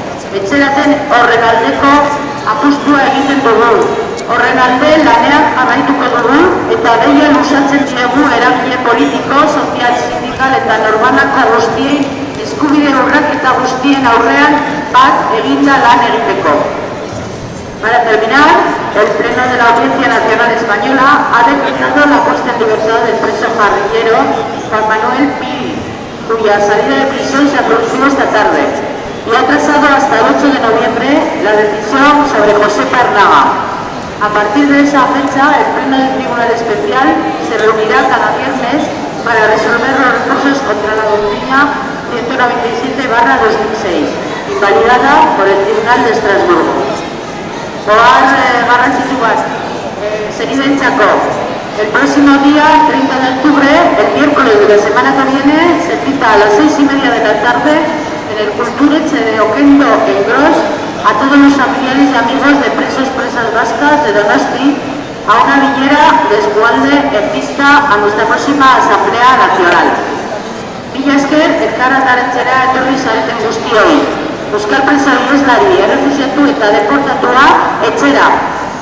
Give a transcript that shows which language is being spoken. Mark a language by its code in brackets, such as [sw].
[eu] Etxeraten horren aldeko apustua egiten dugu. Horren alde lanean jarraituko dugu eta deia luzatzen diegu eragile politiko, sozial, sindikal eta norbanako guztiei eskubide urraketa guztien aurrean bat eginda lan egiteko. [es] Para terminar, el pleno de la Audiencia Nacional Española ha declinado la puesta en libertad del preso guerrillero Juan Manuel Pili, cuya salida de prisión se ha producido esta tarde, y ha trazado hasta el 8 de noviembre la decisión sobre José Pernaga. A partir de esa fecha, el pleno del Tribunal Especial se reunirá cada viernes para resolver los recursos contra la doctrina 197/2006, invalidada por el Tribunal de Estrasburgo. [eu] Oaz garrantzitsu bat, senideentzako. [es] El próximo día, 30 de octubre, el miércoles de la semana que viene, se cita a las 6:30 de la tarde en el Kulturetxe de Oquendo en Gros a todos los familiares y amigos de presos presas vascas de Donosti a una bilera de Eskualde en vista a nuestra próxima Asamblea Nacional. [eu] Mila esker, elkarretaratzera etorri zareten guztioi. Euskal presa dureslari, errefusiatu eta deportatua, etxera.